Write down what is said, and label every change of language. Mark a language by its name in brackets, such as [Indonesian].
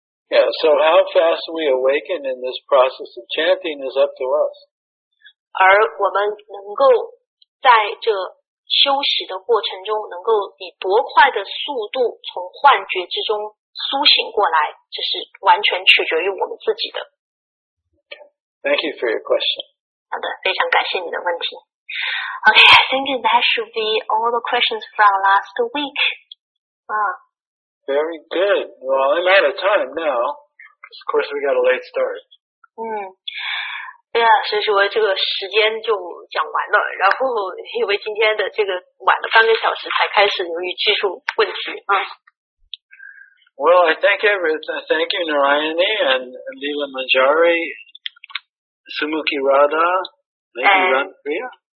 [English] Yeah, so how fast we awaken in this process of chanting is up to us. [Chinese] 而我们能够在这休息的过程中能够以多快的速度从幻觉之中苏醒过来，这是完全取决于我们自己的。 [English] Thank you for your question. [Chinese] 好的，非常感谢你的问题。 [English] Okay, I think that should be all the questions from last week. Very good. Well, I'm out of time now. Of course, we got a late start. [Chinese] 对呀，所以说这个时间就讲完了，然后因为今天的这个晚了半个小时才开始，由于技术问题啊。 [English] Well, I thank everyone. Thank you, Narayani and Leela Manjari, Sumukhi Radha, maybe Radha Priya.